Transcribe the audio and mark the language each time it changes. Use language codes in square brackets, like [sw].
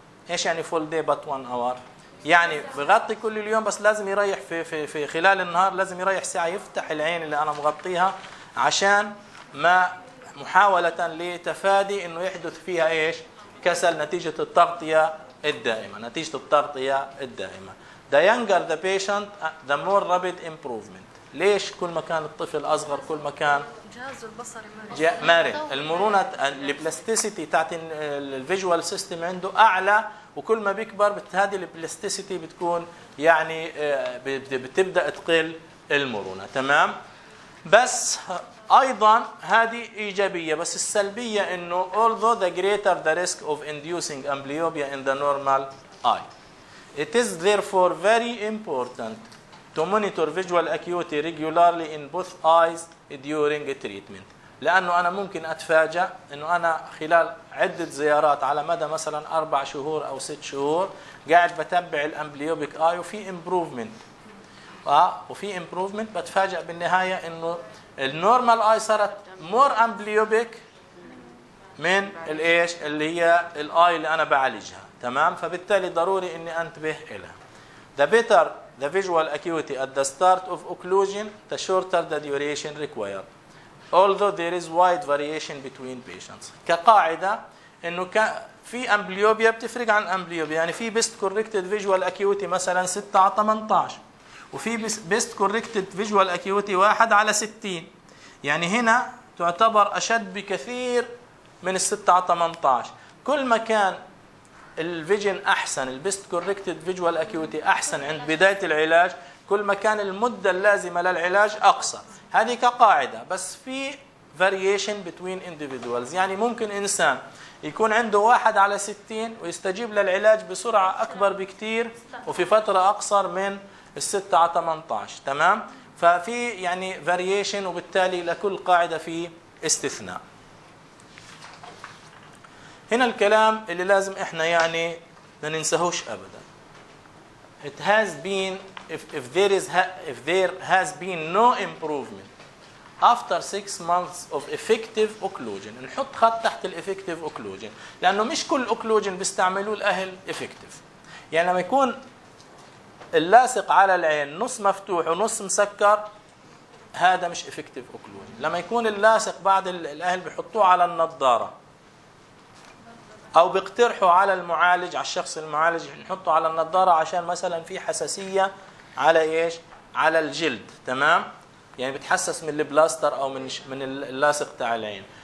[ar] إيش يعني فول دي بات وان أور؟ يعني بغطي كل اليوم بس لازم يريح في في في خلال النهار، لازم يريح ساعة يفتح العين اللي أنا مغطيها عشان ما محاولة لتفادي إنه يحدث فيها إيش كسل نتيجة التغطية الدائمة، نتيجة التغطية الدائمة. [en] The younger the patient the more rapid improvement. [ar] ليش كل ما كان الطفل أصغر كل ما كان جهاز البصر مرن، المرونة البلاستيسيتي تاعت الفيجوال سيستم عنده أعلى، وكل ما بيكبر هذه البلاستيسيتي بتكون يعني بتبدأ تقل المرونة، تمام. بس أيضا هذه إيجابية، بس السلبية إنه [en] although the greater the risk of inducing amblyopia in the normal eye, it is therefore very important to monitor visual acuity regularly in both eyes during treatment. [ar] لأنه أنا ممكن أتفاجأ إنه أنا خلال عدة زيارات على مدى مثلا 4 شهور أو 6 شهور قاعد بتبع الأمبليوبيك آي وفي إمبروفمنت، وفي إمبروفمنت بتفاجأ بالنهاية إنه النورمال آي صارت [en] more amblyopic [ar] من الإيش اللي هي الآي اللي أنا بعالجها، تمام. فبالتالي ضروري إني أنتبه إلها. [en] The better the visual acuity at the start of occlusion, the shorter the duration required. Although there is wide variation between patients. [ar] كقاعدة إنه في أمبليوبيا بتفرق عن أمبليوبيا، يعني في [en] best corrected visual acuity [ar] مثلاً 6/18 وفي best corrected visual acuity 1/60، يعني هنا تعتبر أشد بكثير من 6/18. كل ما كان الفيجن أحسن، البست كوركتد فيجوال أكيوتي أحسن عند بداية العلاج، كل ما كان المدة اللازمة للعلاج أقصر. هذه كقاعدة، بس في [en] variation between individuals، [ar] يعني ممكن إنسان يكون عنده 1/60 ويستجيب للعلاج بسرعة أكبر بكتير وفي فترة أقصر من 6/18، تمام. ففي يعني variation، وبالتالي لكل قاعدة في استثناء. هنا الكلام اللي لازم احنا يعني ما ننساهوش ابدا. [en] It has been if there has been no improvement after 6 months of effective occlusion. [ar] نحط خط تحت الافكتيف اوكلوجين، لانه مش كل اوكلوجين بيستعملوه الاهل افكتيف. يعني لما يكون اللاصق على العين نص مفتوح ونص مسكر هذا مش افكتيف اوكلوجين. لما يكون اللاصق بعد الاهل بيحطوه على النظاره أو بيقترحوا على المعالج، على الشخص المعالج نحطه على النظارة عشان مثلا في حساسية على إيش؟ على الجلد، تمام؟ يعني بتحسس من البلاستر أو من اللاصق تاع العين.